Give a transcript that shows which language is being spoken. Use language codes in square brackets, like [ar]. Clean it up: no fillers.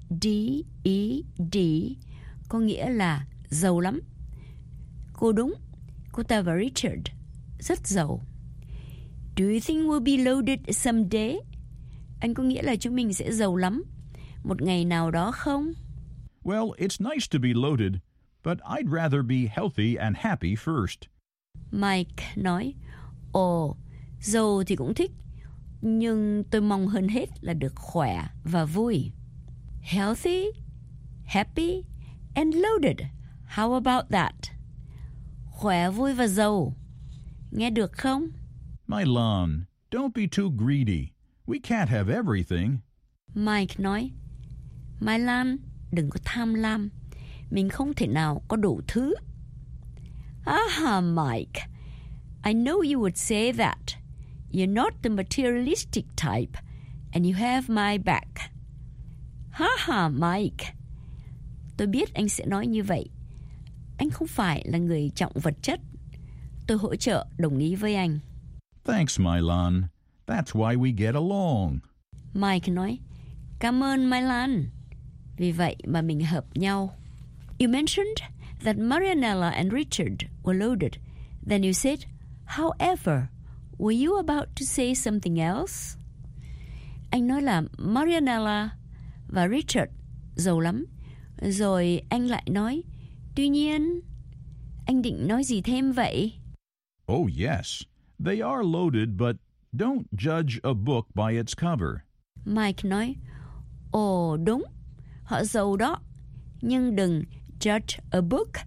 [vi] L-O-A-D-E-D có nghĩa là giàu lắm. Cô đúng, cô ta và Richard rất giàu. [en] Do you think we'll be loaded someday? [vi] Anh có nghĩa là chúng mình sẽ giàu lắm một ngày nào đó không? [en] Well, it's nice to be loaded, but I'd rather be healthy and happy first. [vi] Mike nói, ồ, giàu thì cũng thích, nhưng tôi mong hơn hết là được khỏe và vui. [en] Healthy, happy, and loaded. How about that? [vi] Khỏe, vui và giàu. Nghe được không? [en] My Lan, don't be too greedy. We can't have everything. [vi] Mike nói, My Lan, đừng có tham lam. Mình không thể nào có đủ thứ. Aha, Mike. [en] I know you would say that. You're not the materialistic type, and you have my back. Ha ha, Mike. [vi] Tôi biết anh sẽ nói như vậy. Anh không phải là người trọng vật chất. Tôi hỗ trợ đồng ý với anh. [en] Thanks, Mylan. That's why we get along. [vi] Mike nói, cảm ơn, Mylan. Vì vậy mà mình hợp nhau. [en] You mentioned that Marianella and Richard were loaded. Then you said, however, were you about to say something else? [vi] Anh nói là Marianella và Richard giàu lắm. Rồi anh lại nói, tuy nhiên, anh định nói gì thêm vậy? [en] Oh yes, they are loaded, but don't judge a book by its cover. [vi] Mike nói, ồ đúng, họ giàu đó. Nhưng đừng [en] judge a book